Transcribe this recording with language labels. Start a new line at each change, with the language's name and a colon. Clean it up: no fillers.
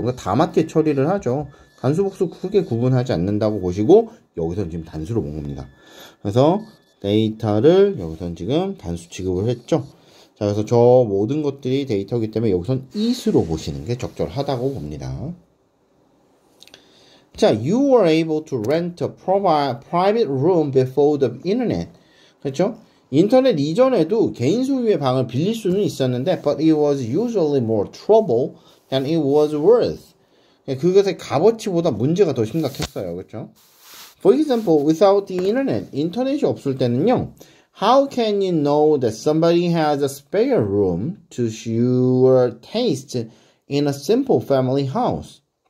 Korean: 그러니까 다 맞게 처리를 하죠. 단수 복수 크게 구분하지 않는다고 보시고 여기서는 지금 단수로 본 겁니다. 그래서 데이터를 여기서는 지금 단수 취급을 했죠. 자, 그래서 저 모든 것들이 데이터이기 때문에 여기서는 is로 보시는 게 적절하다고 봅니다.
English: 자, you were able to rent a private room before the internet.
Korean: 그렇죠? 인터넷 이전에도 개인 소유의 방을 빌릴 수는 있었는데,
English: but it was usually more trouble than it was worth.
Korean: 그것의 값어치보다 문제가 더 심각했어요. 그렇죠?
English: For example, without the internet,
Korean: 인터넷이 없을 때는요,
English: how can you know that somebody has a spare room to your taste in a simple family house?